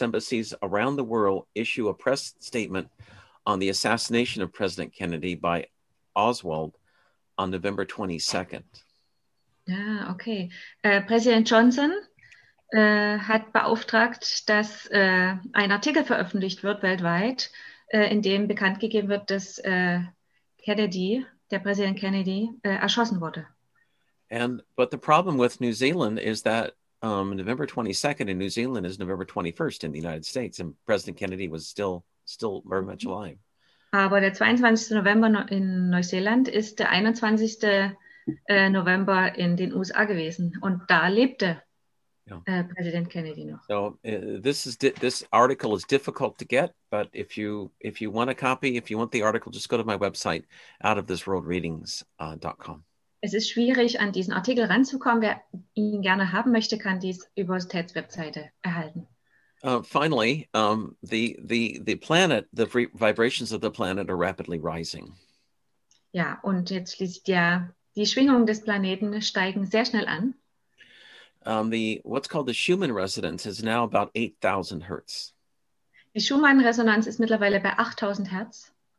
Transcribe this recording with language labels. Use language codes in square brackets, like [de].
[en] embassies around the world issue a press statement on the assassination of President Kennedy by Oswald on November 22nd. [de] Ja, okay. Präsident Johnson hat beauftragt, dass ein Artikel veröffentlicht wird weltweit, in dem bekannt gegeben wird, dass der Präsident Kennedy erschossen wurde. [en] But the problem with New Zealand is that November 22nd in New Zealand is November 21st in the United States, and President Kennedy was still very much alive. [de] Aber der 22. November in Neuseeland ist der 21. November in den USA gewesen, und da lebte President Kennedy noch. [en] So this article is difficult to get, but if you want a copy, if you want the article, just go to my website, outofthisworldreadings.com. [de] Es ist schwierig, an diesen Artikel ranzukommen. Wer ihn gerne haben möchte, kann dies über TED's Webseite erhalten. [en] Finally, the planet, the vibrations of the planet are rapidly rising. [de] Ja, und jetzt schließt die Schwingungen des Planeten steigen sehr schnell an. What's called the Schumann resonance is now about 8,000 hertz. Die Schumann-Resonanz ist mittlerweile bei 8,000 hertz.